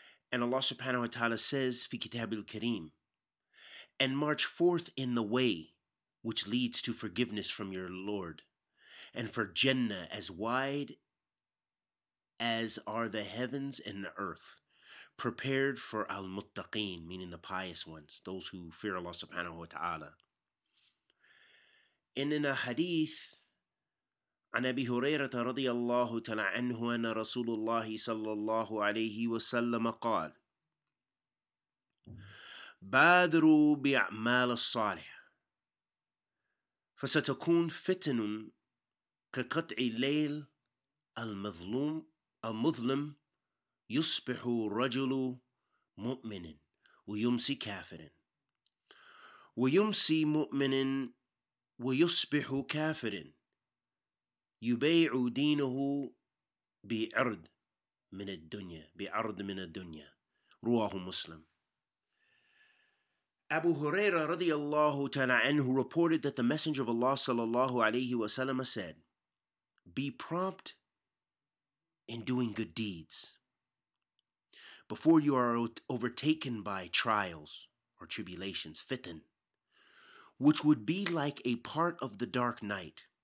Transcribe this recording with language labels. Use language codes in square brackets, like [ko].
[en] And Allah subhanahu wa ta'ala says, [ar] fi kitabi al-kareem, [en] and march forth in the way which leads to forgiveness from your Lord, and for Jannah as wide as are the heavens and the earth, prepared for al-muttaqeen, meaning the pious ones, those who fear Allah subhanahu wa ta'ala. And in a hadith, [ar] عن أبي هريرة رضي الله تعالى عنه أن رسول الله صلى الله عليه وسلم قال بادروا بأعمال الصالح فستكون فتن كقطع الليل المظلوم المظلم يصبح الرجل مؤمنا ويمسي كافرا ويمسي مؤمنا ويصبح كافرا يبيع دينه بعرض من الدنيا بعرض من الدنيا رواه مسلم. [en] Abu Huraira [ar] radiallahu ta'ala anhu [en] reported that the Messenger of Allah [ar] sallallahu alayhi wa sallam [en] said, be prompt in doing good deeds before you are overtaken by trials or tribulations, fitan, which would be like a part of the dark night.